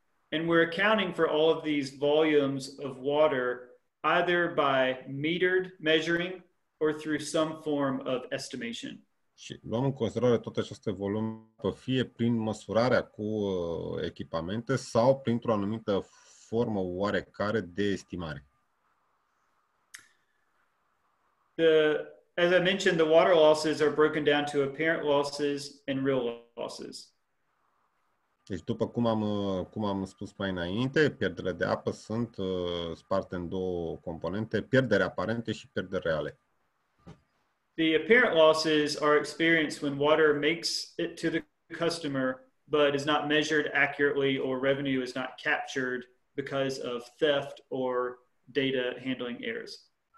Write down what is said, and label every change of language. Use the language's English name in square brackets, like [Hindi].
[English] And we're accounting for all of these volumes of water either by metered measuring or through some form of estimation. [Romanian] Și luăm în considerare tot aceste volume, fie prin măsurarea cu echipamente sau printr-o anumită formă oarecare de estimare. [English] As I mentioned, the water losses are broken down to apparent losses and real losses. [Romanian] Deci, după cum am spus mai înainte, pierderile de apă sunt sparte în două componente, pierderi aparente și pierderi reale. [English] The apparent losses are experienced when water makes it to the customer, but is not measured accurately or revenue is not captured because of theft or data handling errors.